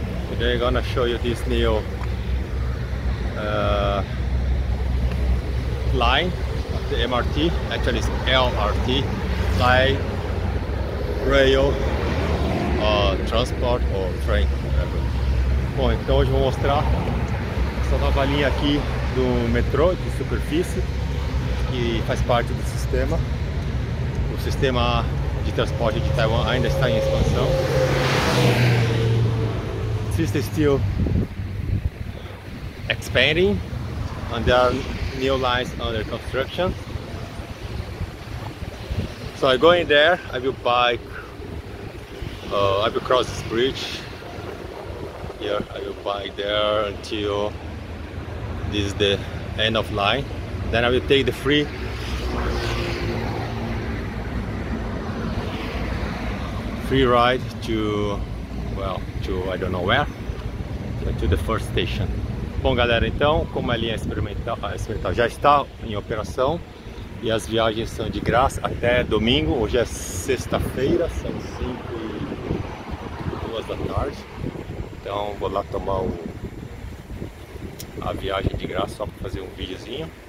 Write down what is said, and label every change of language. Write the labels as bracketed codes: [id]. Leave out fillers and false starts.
[en] Today I'm gonna show you this new line of the MRT. Actually, it's LRT, light rail transport or train. [pt] Bom, então hoje eu vou mostrar essa nova linha aqui do metrô de superfície, que faz parte do sistema. O sistema de transporte de Taiwan ainda está em expansão. [en] This is still expanding and there are new lines under construction. So I go in there, I will bike, I will cross this bridge here, I will bike there until this is the end of line. Then I will take the free ride to, well, to I don't know where, to the first station. [pt] Bom galera, então, como a linha experimental já está em operação e as viagens são de graça até domingo, hoje é sexta-feira, são 5:02 da tarde, então vou lá tomar a viagem de graça só para fazer um videozinho.